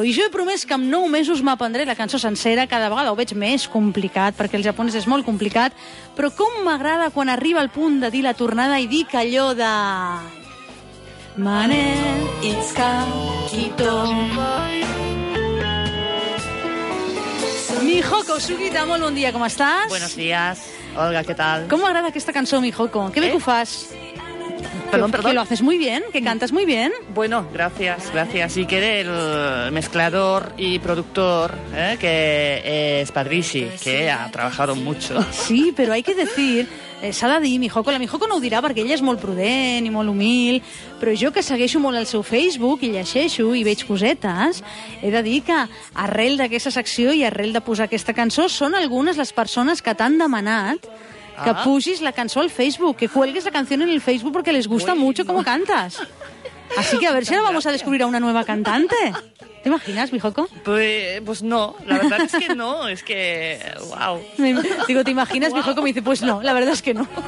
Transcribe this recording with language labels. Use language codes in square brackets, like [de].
[ca] I jo he promès que en 9 mesos m'aprendré la cançó sencera, cada vegada ho veig més complicat, perquè el japonès és molt complicat, però com m'agrada quan arriba el punt de dir la tornada i dic allò de... Mane itzka kito. Mihoko Sugita, molt bon dia, com estàs? [es] Buenos días, Olga, [ca] què tal? Com m'agrada aquesta cançó, Mihoko? Que bé que ho fas. [es] Perdón, perdón. Que lo haces muy bien, que cantas muy bien. Bueno, gracias, gracias. Y que el mezclador y productor, que es Padrici, que ha trabajado mucho. Sí, pero hay que decir... [ca] S'ha de dir, Mihoko, la Mihoko no ho dirà perquè ella és molt prudent i molt humil, però jo que segueixo molt el seu Facebook i llegeixo i veig cosetes, he de dir que arrel d'aquesta secció i arrel de posar aquesta cançó són algunes les persones que t'han demanat que pugis la cançó al Facebook, [es] que cuelgues la canción en el Facebook [ca] perquè [es] les gusta mucho cómo cantas. Así que a ver si ahora vamos a descubrir a una nueva cantante. ¿Te imaginas, Mihoko? Pues no, la verdad es que no, es que... ¡Wow! Digo, ¿te imaginas, wow, Mihoko? Me dice, pues no, la verdad es que no.